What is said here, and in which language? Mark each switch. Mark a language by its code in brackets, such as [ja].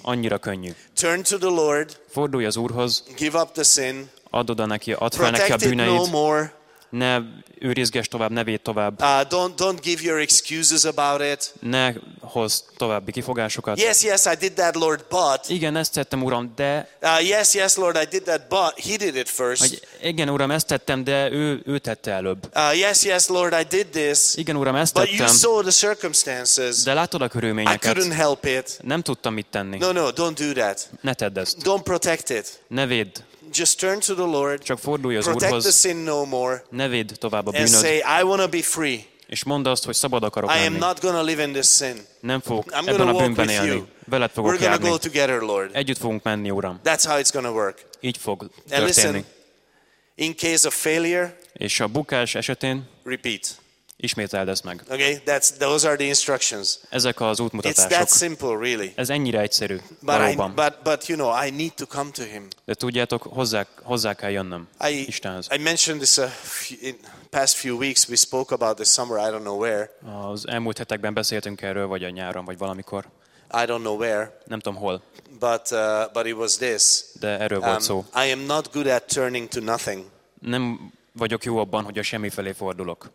[hu] Annyira könnyű. [en] Turn to the Lord. [hu] Fordulj az Úrhoz. [en] Give up the sin. [hu] Add oda neki, add fel neki a bűneid. [en] No more. [hu] Ne őrizgess tovább, ne védd tovább. [en] Don't give your excuses about it. [hu] Ne hozz további kifogásokat. [en] Yes, I did that, Lord, but. [hu] Igen, ezt tettem, Uram, de. [en] Yes, Lord, I did that, but he did it first. [hu] Igen, Uram, ezt tettem, de ő tette előbb. [en] Yes, Lord, I did this. [hu] Igen, Uram, ezt tettem. [en] But you saw the circumstances. [hu] De láttad a körülményeket. [en] I couldn't help it. [hu] Nem tudtam mit tenni. [en] No, don't do that. [hu] Ne tedd ezt. [en] Don't protect it. [hu] Ne védd. [en] Just turn to the Lord. [hu] Csak fordulj az [en] protect [hu] Úrhoz. [en] The sin no more. [hu] Ne védd tovább a bűnöd. [en] And say, I want to be free. [hu] És mondd azt, hogy szabad akarok lenni. [en] I am not going to live in this sin. [hu] Nem fogok ebben a bűnben élni. Veled fogok járni. [en] We're going to go together, Lord. [hu] Együtt fogunk menni, Uram. [en] That's how it's going to work. [hu] Így fog történni. [en] Listen, in case of failure, [hu] és a bukás esetén, [en] repeat. [hu] Ismételd ezt meg. [en] Okay, those are the instructions. [hu] Ezek az útmutatások. [en] It's that simple, really. [hu] Ez ennyire egyszerű. [en] But you know, I need to come to him. [hu] De tudjátok, hozzá kell jönnöm Istenhez. [en] I mentioned this in past few weeks. We spoke about this summer. I don't know where. [hu] Az elmúlt hetekben beszéltünk erről, vagy a nyáron, vagy valamikor. [en] I don't know where. [hu] Nem tudom hol. [en] But it was this. [hu] De erről volt szó. [en] I am not good at turning to nothing. [hu] Nem vagyok jó abban, hogy a semmi felé fordulok.